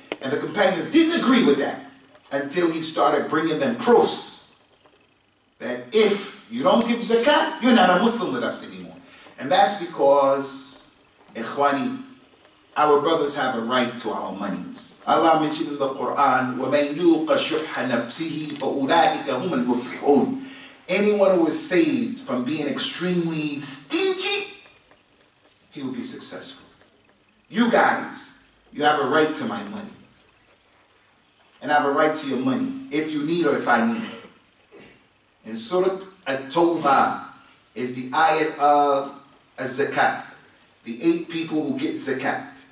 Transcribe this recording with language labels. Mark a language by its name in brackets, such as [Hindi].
[English] And the companions didn't agree with that until he started bringing them proofs that if you don't give zakat, you're not a Muslim with us anymore. And that's because, ikhwani, our brothers have a right to our monies. [Arabic] Allah mentioned in the Quran, وَمَنْ يُوقَ شُحَّ نَفْسِهِ فَأُولَٰئِكَ هُمَ الْمُفْلِحُونَ. [English] Anyone who is saved from being extremely stingy, he will be successful. You guys, you have a right to my money. And I have a right to your money, if you need or if I need it. And Surah At-Tawbah is the ayat of Az-Zakat, the eight people who get Zakat.